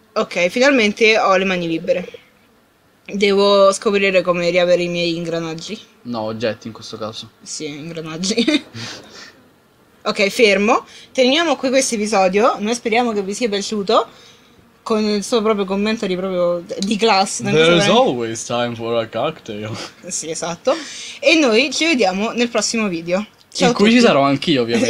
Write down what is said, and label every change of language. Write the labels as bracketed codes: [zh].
[it] Ok, finalmente ho le mani libere. Devo scoprire come riavere i miei ingranaggi. No, oggetti in questo caso. Sì, ingranaggi. Ok, fermo. Terminiamo qui questo episodio. Noi speriamo che vi sia piaciuto. Con il suo proprio commento di proprio di class. [en] There's always time for a cocktail. [it] Sì, esatto. E noi ci vediamo nel prossimo video. Ciao in a cui tutti. Ci sarò anch'io, ovviamente.